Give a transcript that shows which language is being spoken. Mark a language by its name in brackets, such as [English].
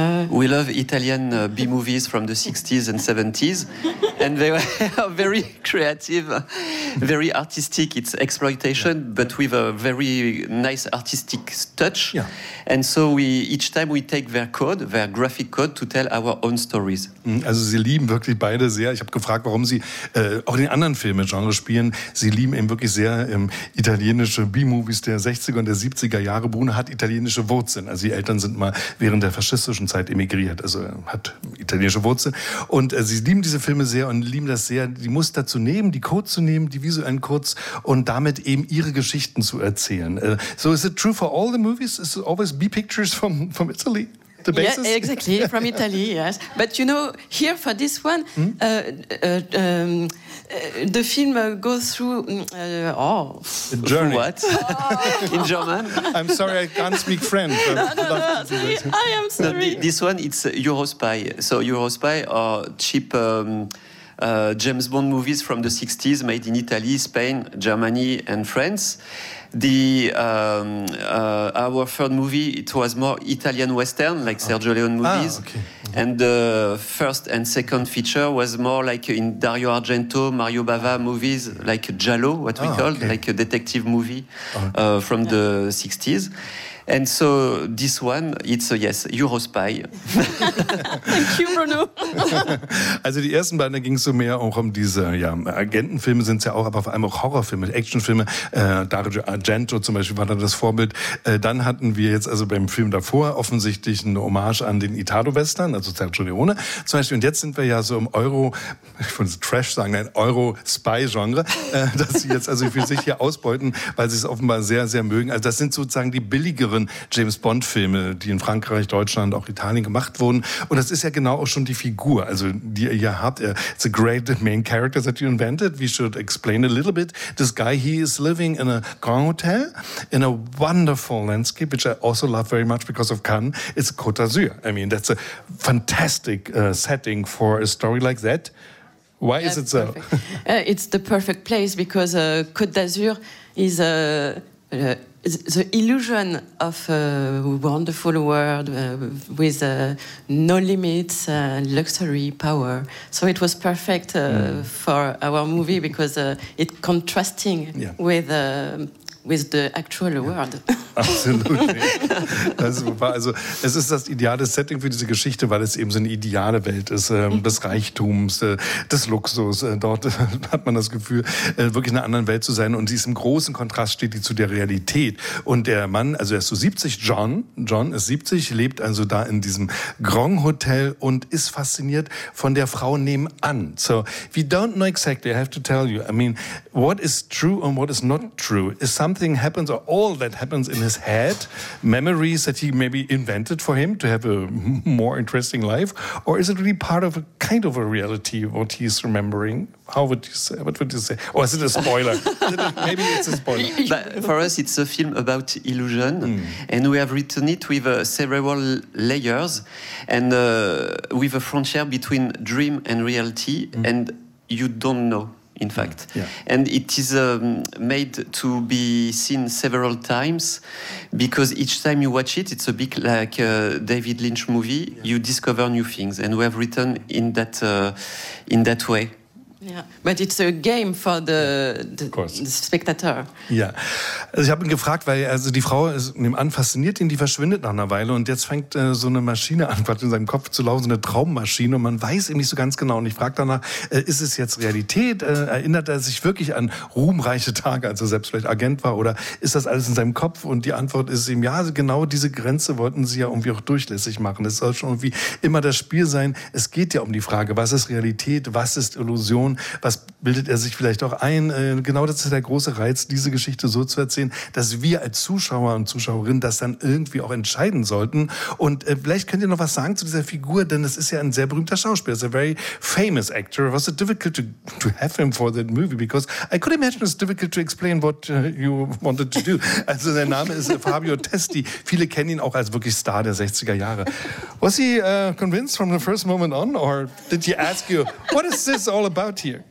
[English] we love Italian B-movies from the 60s and 70s. And they are very creative, very artistic. It's exploitation, yeah. But with a very nice artistic touch. Yeah. And so each time we take their code, their graphic code, to tell our own stories. [German] Also sie lieben wirklich beide sehr. Ich habe gefragt, warum sie auch in den anderen Filmen Genre spielen. Sie lieben eben wirklich sehr italienische B-Movies der 60er und der 70er Jahre. Bruno hat italienische Wurzeln. Also die Eltern sind mal während der faschistischen Zeit emigriert. Also hat italienische Wurzeln. Und sie lieben diese Filme sehr und lieben das sehr, die Muster zu nehmen, die Codes zu nehmen, die visuellen Codes und damit eben ihre Geschichten zu erzählen. [English] So is it true for all the movies? Is it always B-pictures from Italy? The basis? Yeah, exactly, from Italy, yes. But you know, here for this one, the film goes through... journey. What? Oh. In German? I'm sorry, I can't speak French. No, I am sorry. This one, it's Eurospy. So Eurospy are cheap... James Bond movies from the 60s made in Italy, Spain, Germany and France. The our third movie, it was more Italian Western, like Sergio Leone movies. Ah, okay. And the first and second feature was more like in Dario Argento, Mario Bava movies, like Giallo, what we called, like a detective movie from the 60s. And so this one, it's a yes, Eurospy. Thank you, Bruno. [German] Also die ersten beiden, da ging es so mehr auch um diese Agentenfilme, sind es ja auch, aber vor allem auch Horrorfilme, Actionfilme. Dario Argento zum Beispiel war da das Vorbild. Dann hatten wir jetzt also beim Film davor offensichtlich eine Hommage an den Italo-Western, also Sergio Leone zum Beispiel. Und jetzt sind wir ja so im Euro, ich würde Trash sagen, ein Euro-Spy-Genre, das sie jetzt also für sich hier ausbeuten, weil sie es offenbar sehr, sehr mögen. Also das sind sozusagen die billigen James-Bond-Filme, die in Frankreich, Deutschland, auch Italien gemacht wurden. Und das ist ja genau auch schon die Figur, also die ihr habt. [English] It's a great main character that you invented. We should explain a little bit. This guy, he is living in a grand hotel in a wonderful landscape, which I also love very much because of Cannes. It's Côte d'Azur. I mean, that's a fantastic setting for a story like that. Why is it so? It's the perfect place because Côte d'Azur is a... the illusion of a wonderful world with no limits, luxury, power. So it was perfect for our movie because it contrasting with with the actual world. [German] Absolut. Das ist super. Also es ist das ideale Setting für diese Geschichte, weil es eben so eine ideale Welt ist, des Reichtums, des Luxus. Dort hat man das Gefühl, wirklich in einer anderen Welt zu sein. Und sie ist im großen Kontrast, steht die zu der Realität. Und der Mann, also er ist so 70, John ist 70, lebt also da in diesem Grand Hotel und ist fasziniert von der Frau nebenan. [English] So, we don't know exactly, I have to tell you. I mean, what is true and what is not true? Is something happens or all that happens in his head, memories that he maybe invented for him to have a more interesting life? Or is it really part of a kind of a reality, what he's remembering? How would you say? What would you say? Or is it a spoiler? Maybe it's a spoiler. But for us, it's a film about illusion. Mm. And we have written it with several layers and with a frontier between dream and reality. Mm. And you don't know, in fact. Yeah. Yeah. And it is made to be seen several times because each time you watch it, it's a bit like a David Lynch movie. Yeah. You discover new things. And we have written in that way. Yeah, but it's a game for the spectator. [German] Ja, also ich habe ihn gefragt, weil also die Frau ist nebenan fasziniert ihn, die verschwindet nach einer Weile und jetzt fängt so eine Maschine an, quasi in seinem Kopf zu laufen, so eine Traummaschine und man weiß eben nicht so ganz genau. Und ich frage danach, ist es jetzt Realität? Erinnert er sich wirklich an ruhmreiche Tage, als er selbst vielleicht Agent war? Oder ist das alles in seinem Kopf? Und die Antwort ist ihm, ja, genau diese Grenze wollten sie ja irgendwie auch durchlässig machen. Es soll schon irgendwie immer das Spiel sein. Es geht ja um die Frage, was ist Realität, was ist Illusion? Was bildet er sich vielleicht auch ein? Genau das ist der große Reiz, diese Geschichte so zu erzählen, dass wir als Zuschauer und Zuschauerinnen das dann irgendwie auch entscheiden sollten. Und vielleicht könnt ihr noch was sagen zu dieser Figur, denn es ist ja ein sehr berühmter Schauspieler. [English] It's a very famous actor. Was it difficult to have him for that movie? Because I could imagine it's difficult to explain what you wanted to do. [German] Also sein Name ist Fabio Testi. Viele kennen ihn auch als wirklich Star der 60er Jahre. [English] Was he convinced from the first moment on? Or did he ask you, what is this all about?